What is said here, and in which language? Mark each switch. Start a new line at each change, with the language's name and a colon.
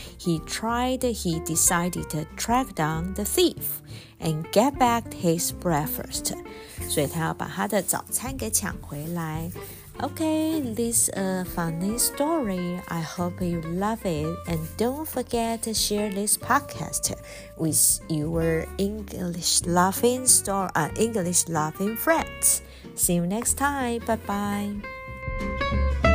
English: He decided to track down the thief and get back his breakfast.
Chinese: 所以他要把他的早餐给抢回来。
English: Okay, this is a funny story. I hope you love it. And don't forget to share this podcast with your English loving friends. See you next time. Bye-bye.